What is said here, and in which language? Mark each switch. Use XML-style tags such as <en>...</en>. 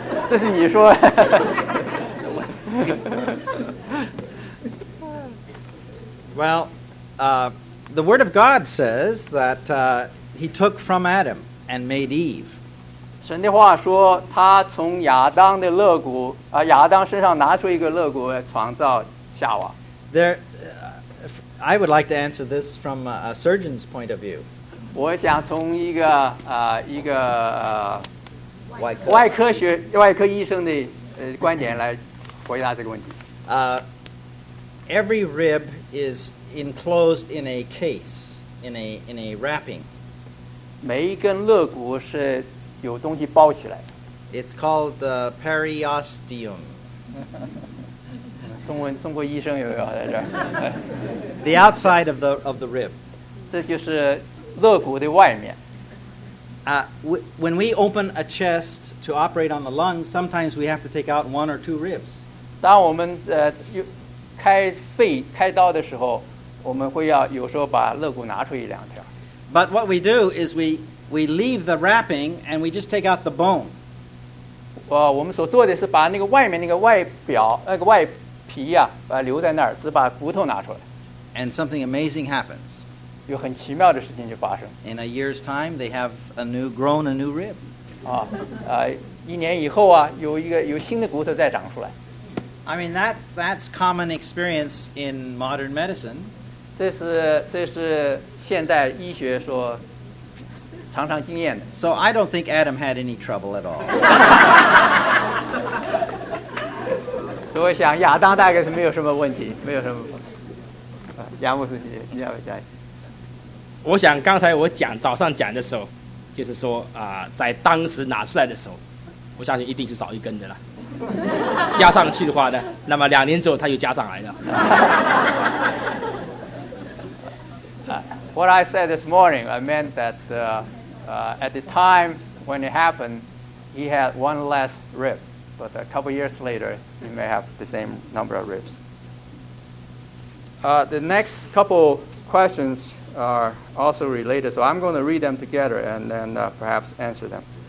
<zh>这是你说。</zh> <en>Well, the Word of God says that he took from Adam and made Eve.</en> <zh>神的话说，他从亚当的肋骨啊，亚当身上拿出一个肋骨，创造夏娃。</zh> <en>There, I would like to answer this from a surgeon's point of view.</en> <zh>我想从一个一个外科医生的观点来回答这个问题。</zh> <en>Every rib is enclosed in a case, in a wrapping.</en> <zh>每一根肋骨是有东西包起来。</zh> <en>It's called the periosteum.</en> <zh>中国医生有没有在这儿</zh> <en>？The outside of the rib.</en> <zh>这就是。肋骨的外面。</zh> <en>When we open a chest to operate on the lungs, sometimes we have to take out one or two ribs.</en> <zh>当我们开肺开刀的时候，我们会要有时候把肋骨拿出一两条。</zh> <en>But what we do is we leave the wrapping and we just take out the bone.</en> <zh>我们所做的是把那个外面那个外表那个外皮呀、啊，留在那儿，只把骨头拿出来。</zh> <en>And something amazing happens.</en> <zh>有很奇妙的事情就发生。</zh> <en>In a year's time, they have grown a new rib.</en> <zh>一年以后啊，有新的骨头再长出来。</zh> <en>I mean that's common experience in modern medicine.</en> <zh>这是现代医学所常常经验的。</zh> <en>So I don't think Adam had any trouble at all.</en> <zh>所以我想亚当大概是没有什么问题，没有什么。亚牧师，你要不要加油？我想刚才我讲早上讲的时候，就是说在当时拿出来的时候，我相信一定是少一根的了。加上去的话呢，那么两年之后他又加上来了。</zh> <en>What I said this morning, I meant that at the time when it happened, he had one less rib, but a couple years later, he may have the same number of ribs. The next couple questions. Are also related, so I'm going to read them together and then perhaps answer them.</en>